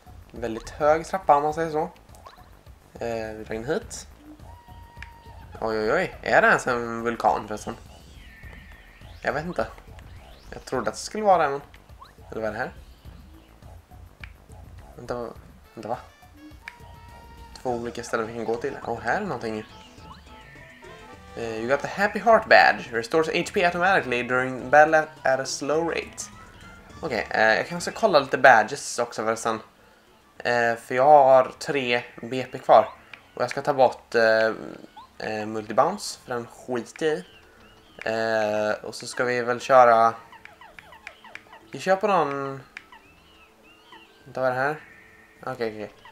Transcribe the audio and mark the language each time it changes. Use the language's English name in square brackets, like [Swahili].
[Swedish] Väldigt hög trappa om man säger så. Vi drar in hit. Oj, oj, oj. Är det ens en vulkan förresten? Jag vet inte. Jag trodde att det skulle vara det, men... Eller vad är det här? Vänta, vänta, va? Två olika ställen vi kan gå till. Åh, här är någonting. [English] You got the Happy Heart Badge. Restores HP automatically during battle at a slow rate. [Swedish] Okej, jag kan också kolla lite badges också förresten. För jag har 3 BP kvar. Och jag ska ta bort multibounce. För den skiter jag i. Och så ska vi väl köra... Vi kör på någon... Vänta, vad är det här? Okej.